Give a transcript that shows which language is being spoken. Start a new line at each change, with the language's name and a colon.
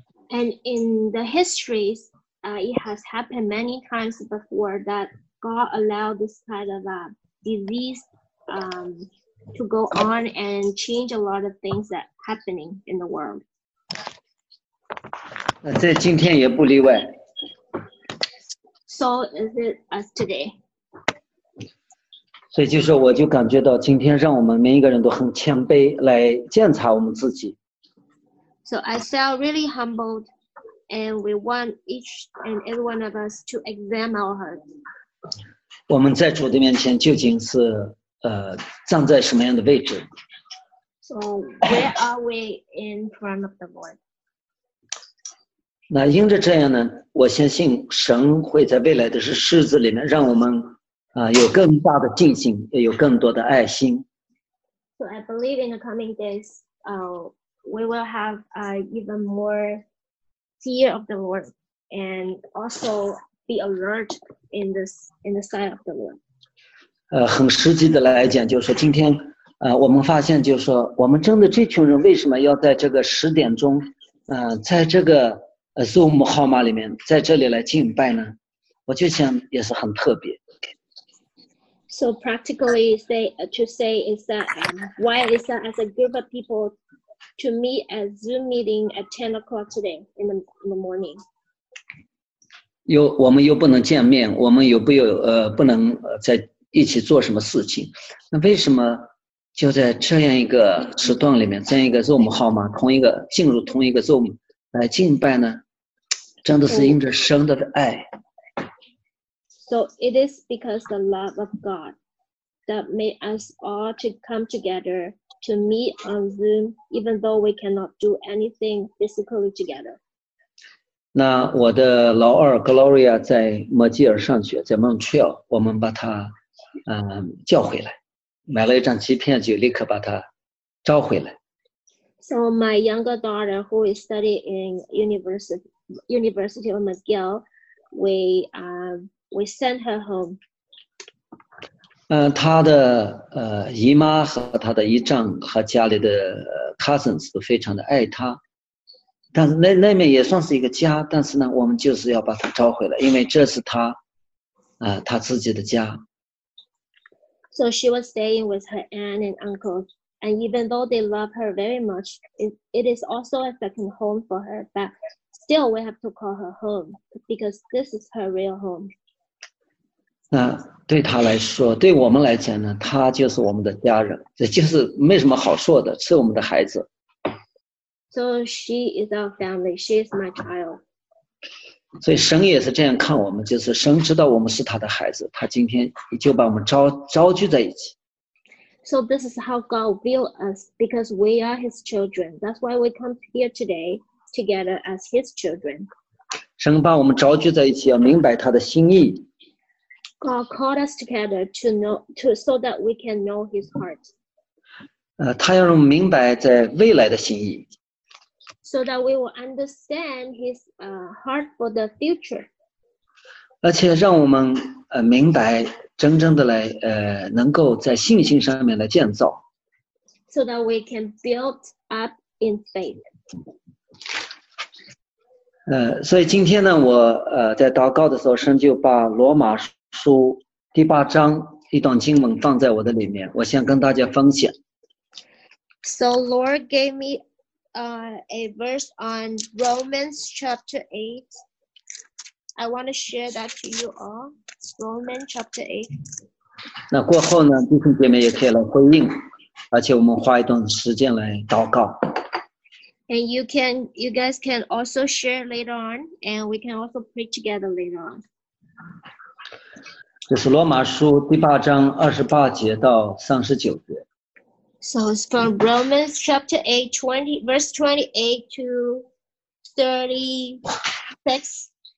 English: And in the histories, it has happened many times before that God allowed this kind of disease to go on and change a lot of things that happening in the world.
Chinese: 那在今天也不例外。
English: So is it us today?
Chinese: 所以就是我就感觉到今天让我们每一个人都很谦卑来检查我们自己。
English: So I felt really humbled and we want each and every one of us to examine our hearts.
Chinese: 我们在主的面前究竟是站在什么样的位置。
English: So where are we in front of the Lord?
Chinese: 那因着这样呢，我相信神会在未来的日子里面让我们有更大的信心，也有更多的爱心。
English: So I believe in the coming days, we will have even more fear of the Lord and also be alert in the sight of the Lord.
Chinese: 很实际的来讲，就是说今天我们发现，就是说我们真的这群人为什么要在这个十点钟，在这个。 Zoom 号码里面在这里来敬拜呢，我就想也是很特别。
English: So practically to say is that why is that as a group of people to meet at Zoom meeting at 10 o'clock today in the morning?
Chinese: 又我们又不能见面，我们又不能在一起做什么事情，那为什么就在这样一个时段里面，这样一个 Zoom 号码，同一个进入同一个 Zoom 来敬拜呢？真的是因着神的爱。
English: So it is because the love of God that made us all to come together to meet on Zoom, even though we cannot do anything physically together.
Chinese: 那我的老二 Gloria 在墨吉尔上学，在 Montreal， 我们把他叫回来，买了一张机票就立刻把他招回来。
English: So my younger daughter who is studying in University of McGill, we sent her home.
Chinese: 她的姨妈和她的姨丈和家里的cousins都非常的爱她，但是那面也算是一个家，但是呢，我们就是要把她招回来，因为这是她，她自己的家。
English: So she was staying with her aunt and uncle, and even though they love her very much, it is also a second home for her, but. Still, we have to call her home because this is her real home.
Chinese: 那对她来说，对我们来讲呢，她就是我们的家人，这就是没什么好说的，是我们的孩子。
English: So she is our family. She is my child.
Chinese: 所以神也是这样看我们，就是神知道我们是他的孩子，他今天就把我们招聚在一起。
English: So this is how God view us, because we are His children. That's why we come here today together as His children.
Chinese: 神把我们招聚在一起，要明白他的心意。
English: God called us together to know, to so that we can know His heart.
Chinese: 他要让我们明白在未来的心意。
English: So that we will understand His heart for the future.
Chinese: 而且让我们明白。真正的来能够在信心上面来建造。
English: So that we can build up in faith.
Chinese: 所以今天呢我在祷告的时候神就把罗马书第八章一段经文放在我的里面我先跟大家分享。
English: So Lord gave me a verse on Romans chapter 8. I want to share that to you all. Romans chapter 8.
Chinese: 那过后呢弟兄姐妹也可以来回应而且我们花一段时间来祷告。
English: And you guys can also share later on, and we can also pray together later on.
Chinese: 这是罗马书第八章二十八节到三十九节。
English: So it's from Romans chapter 8, 20, verse 28 to 36.